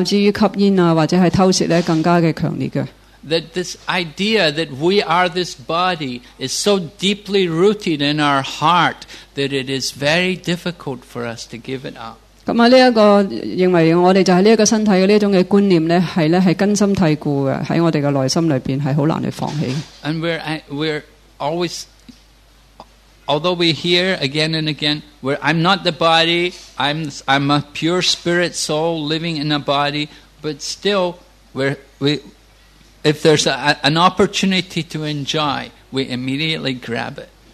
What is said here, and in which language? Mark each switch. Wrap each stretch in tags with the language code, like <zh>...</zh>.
<zh>這個對身體的認同,這種依附,遠遠較之於吸煙或者偷竊更加強烈。</zh> <en>That this idea that we are this body is so deeply rooted in our heart that it is very difficult for us to give it up.</en> <zh>這個認為我們就是這個身體的這種觀念,是根深蒂固的,在我們的內心裡面,是很難去放棄。</zh> <en>And we're always, although we hear again and again, I'm not the body, I'm a pure spirit soul living in a body, but still, if there's an opportunity to enjoy, we immediately grab it.</en>